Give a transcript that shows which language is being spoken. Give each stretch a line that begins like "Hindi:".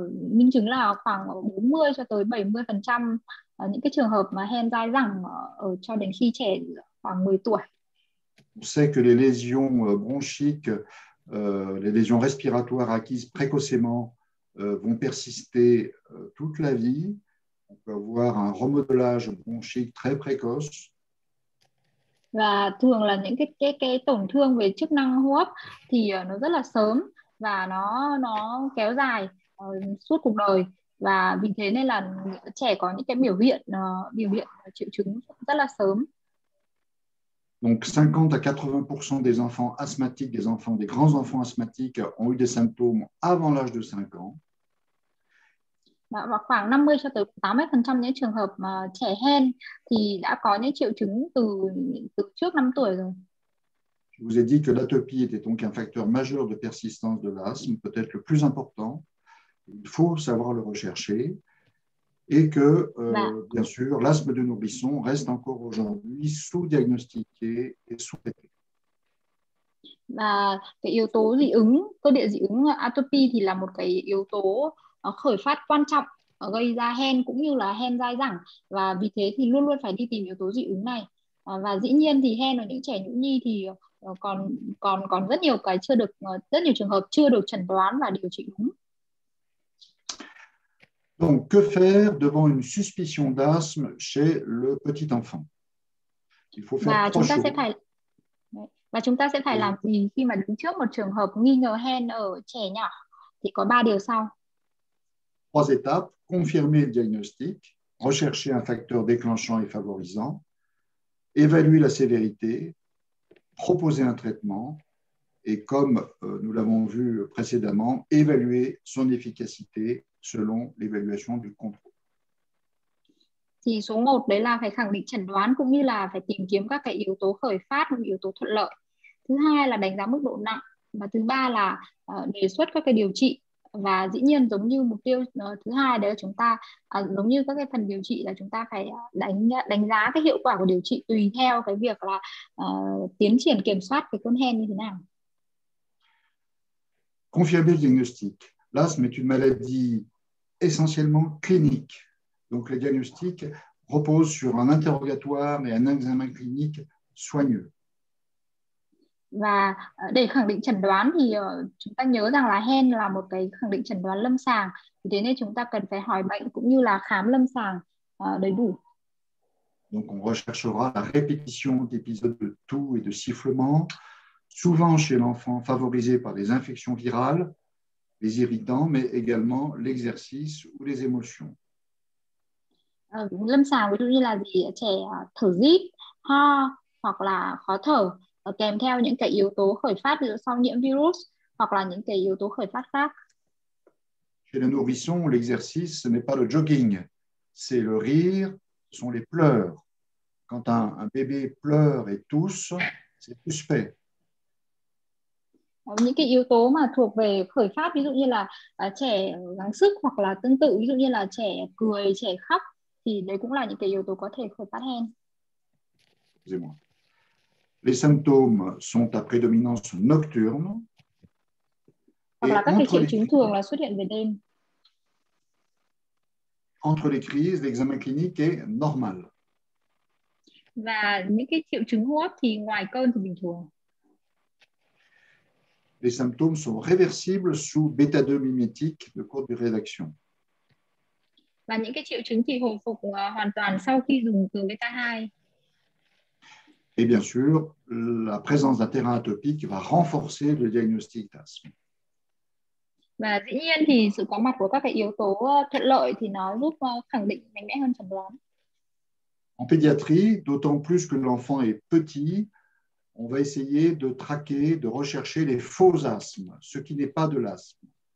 Vietnamese: Minh chứng là khoảng 40 cho tới 70% những cái trường hợp mà hen dai dẳng ở cho đến khi trẻ khoảng 10 tuổi.
French: On sait que les lésions bronchiques, les lésions respiratoires acquises précocement vont persister toute la vie. On peut avoir un remodelage bronchique très précoce.
Vietnamese: Và thường là những cái tổn thương về chức năng hô hấp thì nó rất là sớm và nó kéo dài suốt cuộc đời, và vì thế nên là trẻ có những cái biểu hiện triệu chứng rất là sớm.
French: Donc 50 à 80% des enfants asthmatiques, des grands enfants asthmatiques ont eu des symptômes avant l'âge de 5 ans.
Vietnamese: Và khoảng 50 cho tới 80% những trường hợp mà trẻ hen thì đã có những triệu chứng từ trước 5 tuổi rồi.
French: Je vous ai dit que l'atopie était donc un facteur majeur de persistance de l'asthme, peut-être le plus important. Il faut savoir le rechercher. Et que, bien sûr, l'asthme de nourrisson reste encore aujourd'hui sous-diagnostiqué et sous-traité.
Vietnamese: Và cái yếu tố dị ứng, cơ địa dị ứng atopy thì là một cái yếu tố khởi phát quan trọng gây ra hen cũng như là hen dai dẳng, và vì thế thì luôn luôn phải đi tìm yếu tố dị ứng này. Và dĩ nhiên thì hen ở những trẻ nhũ nhi thì còn còn còn rất nhiều cái chưa được rất nhiều trường hợp chưa được chẩn đoán và điều trị đúng.
French: Donc que faire devant une suspicion d'asthme chez le petit enfant? Il faut faire trois choses.
Vietnamese: Và chúng ta sẽ phải làm gì khi mà đứng trước một trường hợp nghi ngờ hen ở trẻ nhỏ, thì có ba điều sau.
French: trois étapes: confirmer le diagnostic, rechercher un facteur déclenchant et favorisant, évaluer la sévérité, proposer un traitement et, comme nous l'avons vu précédemment, évaluer son efficacité selon l'évaluation du contrôle.
Vietnamese: Thì số 1 đấy là phải khẳng định chẩn đoán cũng như là phải tìm kiếm các cái yếu tố khởi phát, yếu tố thuận lợi. Thứ hai là đánh giá mức độ nặng và thứ ba là đề xuất các cái điều trị. Và dĩ nhiên giống như mục tiêu thứ hai đấy là chúng ta giống như các cái phần điều trị là chúng ta phải đánh giá cái hiệu quả của điều trị tùy theo cái việc là tiến triển kiểm soát cái cơn hen như thế nào.
French: Confirmé diagnostic. L'asthme est une maladie essentiellement clinique. Donc le diagnostic repose sur un interrogatoire et un examen clinique soigneux.
Vietnamese: Và để khẳng định chẩn đoán thì chúng ta nhớ rằng là hen là một cái khẳng định chẩn đoán lâm sàng. Vì thế nên chúng ta cần phải hỏi bệnh cũng như là khám lâm sàng đầy đủ.
French: Donc on recherchera la répétition d'épisodes de toux et de sifflement, souvent chez l'enfant favorisé par les infections virales, les irritants, mais également l'exercice ou les émotions.
Vietnamese: Lâm sàng ví dụ như là gì, trẻ thở rít, ho hoặc là khó thở, kèm theo những cái yếu tố khởi phát ví dụ sau nhiễm virus hoặc là những cái yếu tố khởi phát khác.
French: Chez le nourrisson, l'exercice ce n'est pas le jogging, c'est le rire, ce sont les pleurs. Quand un bébé pleure et tousse, c'est suspect.
Vietnamese: Những cái yếu tố mà thuộc về khởi phát ví dụ như là trẻ gắng sức hoặc là tương tự ví dụ như là trẻ cười, trẻ khóc thì đấy cũng là những cái yếu tố có thể khởi phát hen.
French: Excusez-moi. Les symptômes sont à prédominance nocturne.
Vietnamese: Hoặc là các triệu chứng thường là xuất hiện về đêm.
French: Entre les crises, l'examen clinique est normal.
Vietnamese: Và những cái triệu chứng hô hấp thì ngoài cơn thì bình thường.
French: Les symptômes sont réversibles sous bêta 2 mimétique de courte durée d'action.
Vietnamese: Và những cái triệu chứng thì hồi phục hoàn toàn sau khi dùng cường bêta 2.
French: Et bien sûr, la présence d'un terrain atopique va renforcer le diagnostic d'asthme.
Vietnamese: Và dĩ nhiên thì sự có mặt của các cái yếu tố thuận lợi thì nó giúp khẳng định mạnh mẽ hơn chẩn đoán.
French: En pédiatrie, d'autant plus que l'enfant est petit, on va essayer de traquer, de rechercher les faux asthmes, ce qui n'est pas de l'asthme.